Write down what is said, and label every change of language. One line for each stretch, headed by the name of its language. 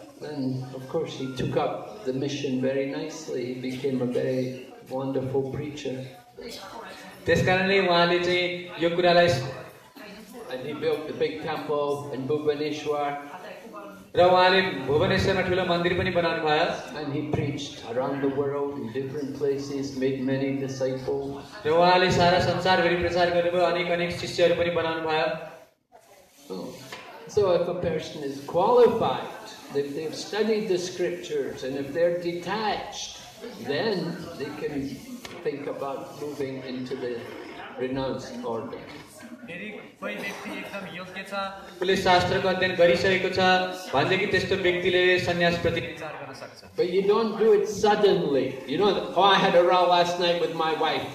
English: And of course he took up the mission very nicely. He became a very wonderful preacher.
Nepali: त्यस कारणले उहाँले चाहिँ यो कुरालाई
English: And he built the big temple in Bhubaneswar.
Nepali: र उहाँले भुवनेश्वरमा ठुलो मन्दिर पनि बनाउनु भयो
English: And he preached around the world in different places, made many disciples.
Nepali: र उहाँले सारा संसारभरि प्रचार गर्नुभयो अनेक अनेक शिष्यहरू पनि बनाउनु भयो
English: So if a person is qualified, if they've studied the scriptures and if they're detached, then they can think about moving into the renounced order.
Nepali: उसले शास्त्रको अध्ययन गरिसकेको छ भनेदेखि त्यस्तो व्यक्तिले सन्यास प्रति विचार गर्न सक्छ.
English: But you don't do it suddenly. You know, oh, I had a row last night with my wife.